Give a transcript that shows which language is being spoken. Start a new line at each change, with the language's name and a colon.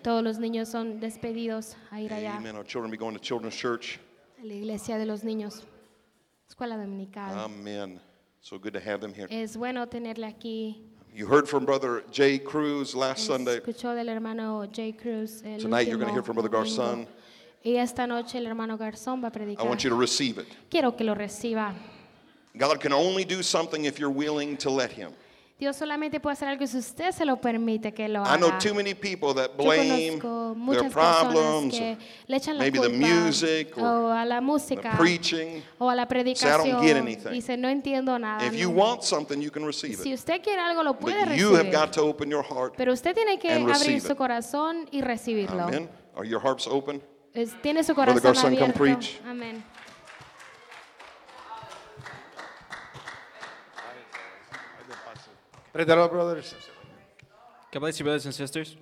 Spanish: Todos los niños son despedidos a ir allá. Amen.
English: Our children will be going to children's church.
Spanish: La iglesia de los niños. Escuela dominical.
English: Amen. So good to have them here.
Spanish: Es bueno tenerle aquí.
English: You heard from Brother Jay Cruz last Sunday.
Spanish: Escuchó del hermano Jay Cruz el
English: Tonight you're going to hear from Brother Garzon.
Spanish: Y esta noche el hermano Garzón va a predicar.
English: I want you to receive it.
Spanish: Quiero que lo reciba.
English: God can only do something if you're willing to let him.
Spanish: Dios solamente puede hacer algo si usted se lo permite que lo haga.
English: I know too many people that blame their problems, maybe the music or the preaching.
Spanish: O a la predicación.
English: Say, I don't get anything.
Spanish: Dice, no entiendo nada.
English: If you want something, you can receive it.
Spanish: Si usted quiere algo, lo puede recibir.
English: But you have got to open your heart.
Spanish: Pero usted tiene que abrir su corazón y recibirlo.
English: Amen. Are your hearts open?
Spanish: Tiene su corazón
English: Brother Garzon, come preach. Amen. Brothers. God bless you, brothers and sisters.